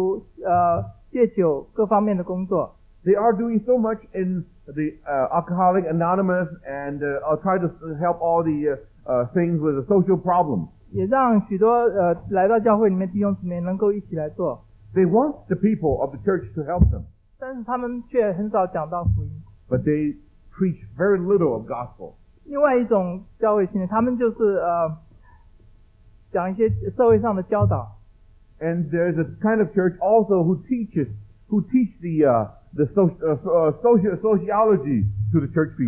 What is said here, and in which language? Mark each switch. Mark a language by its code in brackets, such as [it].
[zh] 他们用社会福音的工作把那些有些比如说戒毒、戒酒各方面的工作。 [en] They are doing so much in the Alcoholic Anonymous and try to help all the things with the social problems. [zh] 也让许多来到教会里面弟兄姊妹能够一起来做。 [en] They want the people of the church to help them. [zh] 但是他们却很少讲到福音。 [en] But they preach very little of gospel. [zh] 另外一种教会信念，他们就是讲一些社会上的教导。 [en] And there's a kind of church also who teach the sociology to the church people.